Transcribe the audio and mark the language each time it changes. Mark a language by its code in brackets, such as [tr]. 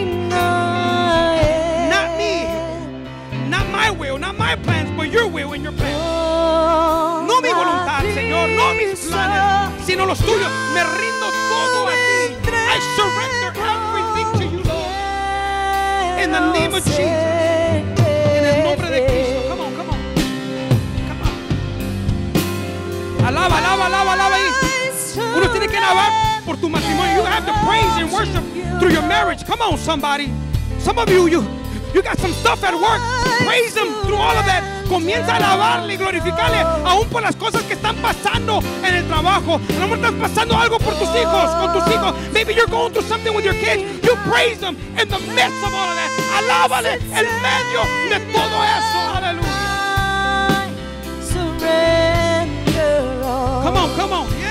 [en] Not me, not my will, not my plans, but your will and your plans. [es] No mi voluntad, Señor, no mis planes, sino los tuyos. Me rindo todo a ti. [en] I surrender everything to you, Lord. In the name of Jesus. [es] En el nombre de Cristo. [en] Come on. [es] Alaba ahí. Uno tiene que alabar por tu matrimonio. [en] You have to praise and worship through your marriage. Come on, somebody. Some of you, You got some stuff at work. Praise Him through all of that. [es] Comienza a alabarle y glorificarle aún por las cosas que están pasando en el trabajo. A lo mejor estás pasando algo por tus hijos, con tus hijos. [en] Maybe you're going through something with your kids. You praise Him in the midst of all of that. [es] Alábale en medio de todo eso. Aleluya. [en] Come on, come on.